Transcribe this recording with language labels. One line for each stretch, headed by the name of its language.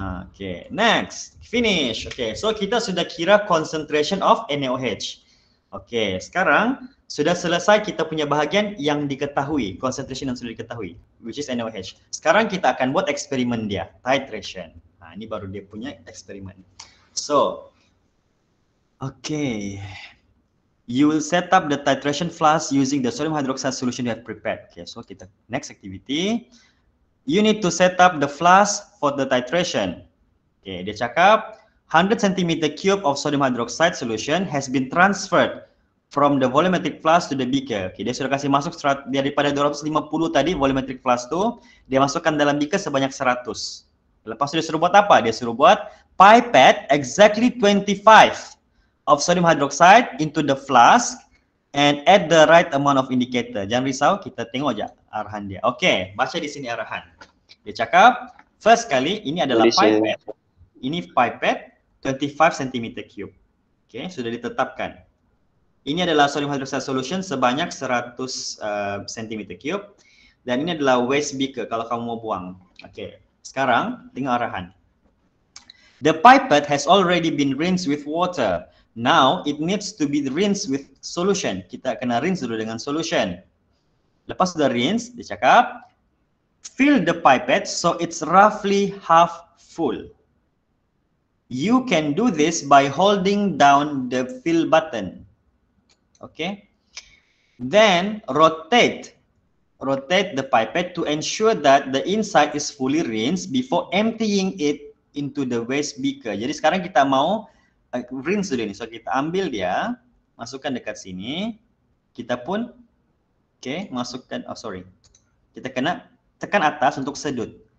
English: Okay, next. Finish. Okay, so
Malay: kita sudah kira
English: concentration of NaOH.
Malay: Okay, sekarang sudah selesai kita punya bahagian yang diketahui. Concentration yang sudah diketahui,
English: which is NaOH.
Malay: Sekarang kita akan buat eksperimen dia, titration. Nah, ini baru dia punya eksperimen.
English: So, okay. You will set up the titration flask using the sodium hydroxide solution you have prepared. Okay, so
Malay: kita
English: next activity. You need to set up the flask for the titration. Okay,
Malay: dia cakap
English: 100 cm cube of sodium hydroxide solution has been transferred from the volumetric flask to the beaker.
Malay: Okay, dia sudah kasih masuk daripada 250 tadi volumetric flask tu, dia masukkan dalam beaker sebanyak 100. Lepas tu dia suruh buat apa? Dia suruh buat
English: pipette exactly 25 of sodium hydroxide into the flask and add the right amount of indicator.
Malay: Jangan risau, kita tengok aja arahan dia. Okay, baca di sini arahan. Dia cakap, first kali ini adalah pipette. Ini pipette 25 cm cube. Okay, sudah ditetapkan. Ini adalah sodium hydroxide solution sebanyak 100 cm cube. Dan ini adalah waste beaker kalau kamu mau buang. Okay, sekarang tengok arahan.
English: The pipette has already been rinsed with water. Now it needs to be rinsed with solution.
Malay: Kita kena rinse dulu dengan solution. Lepas sudah rinse, dia cakap,
English: fill the pipette so it's roughly half full. You can do this by holding down the fill button. Okay. Then rotate the pipette to ensure that the inside is fully rinsed before emptying it into the waste beaker.
Malay: Jadi sekarang kita mau rinse dulu ini. So kita ambil dia, masukkan dekat sini. Kita pun okay, masukkan, oh sorry. Kita kena tekan atas untuk sedut.